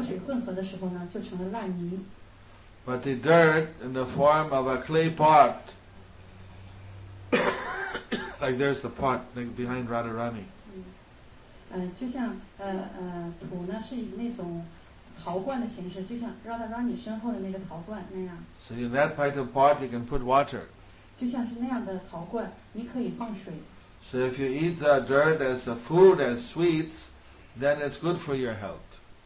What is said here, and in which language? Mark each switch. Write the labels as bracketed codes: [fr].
[zh] 如果土地呢是以灰尘的形式和水混合的时候呢，就成了烂泥。But [en] the dirt in the form of a clay pot, like there's the pot behind Radharani. [zh] 就像土呢是以那种陶罐的形式，就像 Radharani 身后的那个陶罐那样。So [en] in that part of pot you can put water. [zh] 就像是那样的陶罐，你可以放水。So [en] if you eat the dirt as a food as sweets, then it's good for your health.